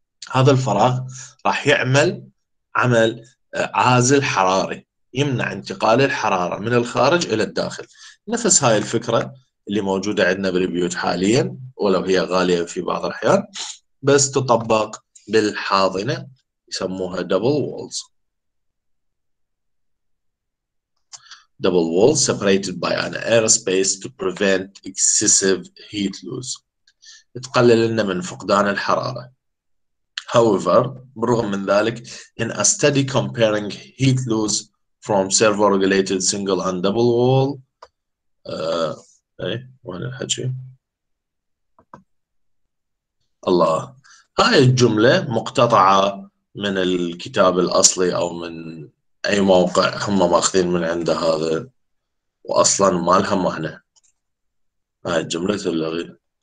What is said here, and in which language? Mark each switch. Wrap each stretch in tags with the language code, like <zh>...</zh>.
<ar>هذا الفراغ راح يعمل عمل عازل حراري، يمنع انتقال الحرارة من الخارج الى الداخل. نفس هاي الفكرة اللي موجودة عندنا بالبيوت حاليا، ولو هي غالية في بعض الاحيان، بس تطبق بالحاضنة، يسموها double walls.</ar> <en>Double walls separated by an airspace to prevent excessive heat loss.</en> <ar>تقلل لنا من فقدان الحرارة.</ar> <en>However,</en> <ar>بالرغم من ذلك,</ar> <en>in a study comparing heat loss from servo-regulated single and double wall,</en> <ar>وين الحكي؟ الله. هاي الجملة مقتطعة من الكتاب الأصلي أو من أي موقع هم ماخذين من عنده هذا، وأصلا ما لها معنى هاي الجملة اللغوية.</ar>